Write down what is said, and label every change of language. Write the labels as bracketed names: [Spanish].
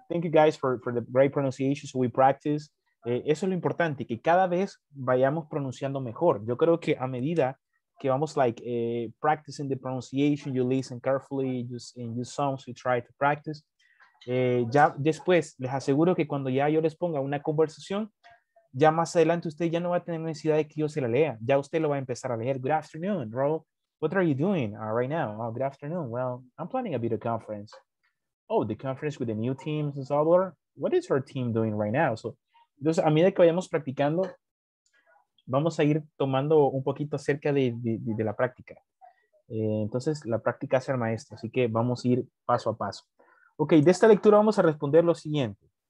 [English] Thank you guys for the great pronunciations we practice. [Spanish] Eso es lo importante, que cada vez vayamos pronunciando mejor. Yo creo que a medida que vamos [English] like practicing the pronunciation, you listen carefully, you songs, you try to practice. [Spanish] Ya después, les aseguro que cuando ya yo les ponga una conversación, ya más adelante usted ya no va a tener necesidad de que yo se la lea. Ya usted lo va a empezar a leer. [English] Good afternoon, Ro. What are you doing right now? Oh, good afternoon. Well, I'm planning a video conference. Oh, the conference with the new team, Salvador. What is your team doing right now? [Spanish] So, entonces, a medida que vayamos practicando, vamos a ir tomando un poquito acerca de la práctica. Entonces, la práctica hace al maestro. Así que vamos a ir paso a paso. Ok, de esta lectura vamos a responder lo siguiente.